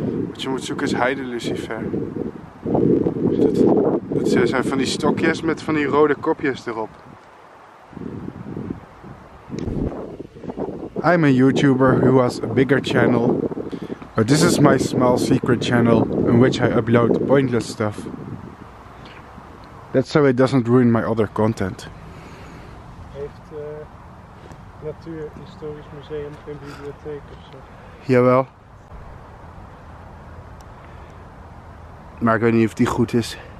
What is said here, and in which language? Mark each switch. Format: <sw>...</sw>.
<nl>Wat je moet zoeken is heidelucifer. Dat zijn van die stokjes met van die rode kopjes erop.</nl> <en>I'm a YouTuber who has a bigger channel. But this is my small secret channel in which I upload pointless stuff. That's so it doesn't ruin my other content.</en> <nl>Natuurhistorisch museum, geen bibliotheek ofzo. Jawel. Maar ik weet niet of die goed is.</nl>